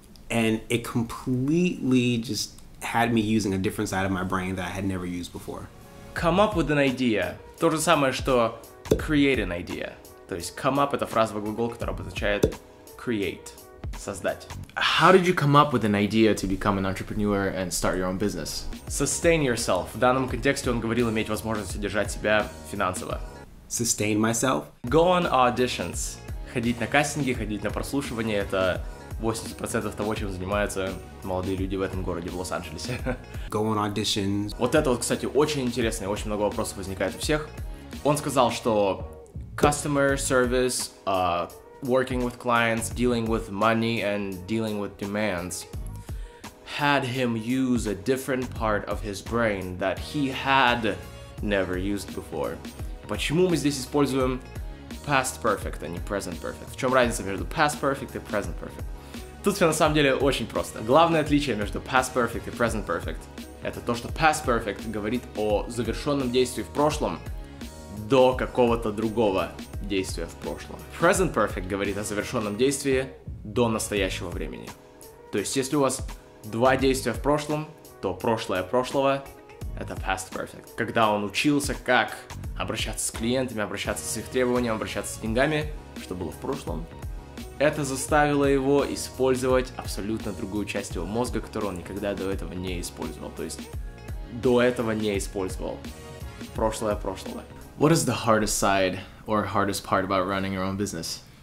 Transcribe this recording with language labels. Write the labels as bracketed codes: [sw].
[en] And it completely just had me using a different side of my brain that I had never used before. Come up with an idea. [ru] То же самое, что [en] create an idea. [ru] То есть [en] come up [ru] — это фразовый глагол, который обозначает create, создать. [en] How did you come up with an idea to become an entrepreneur and start your own business? Sustain yourself. [ru] В данном контексте он говорил иметь возможность содержать себя финансово. [en] Sustain myself. Go on auditions. [ru] Ходить на кастинги, ходить на прослушивания — это 80% того, чем занимаются молодые люди в этом городе, в Лос-Анджелесе. [en] Go on auditions. [ru] Вот это вот, кстати, очень интересно, и очень много вопросов возникает у всех. Он сказал, что [en] customer service, working with clients, dealing with money and dealing with demands had him use a different part of his brain that he had never used before. [ru] Почему мы здесь используем past perfect, а не present perfect? В чем разница между past perfect и present perfect? Тут все на самом деле очень просто. Главное отличие между past perfect и present perfect — это то, что past perfect говорит о завершенном действии в прошлом до какого-то другого действия в прошлом. Present perfect говорит о завершенном действии до настоящего времени. То есть, если у вас два действия в прошлом, то прошлое прошлого — это past perfect. Когда он учился, как обращаться с клиентами, обращаться с их требованиями, обращаться с деньгами, что было в прошлом, это заставило его использовать абсолютно другую часть его мозга, которую он никогда до этого не использовал. То есть, до этого не использовал. Прошлое прошлого. [en] What is the hardest side or hardest part about running your own business?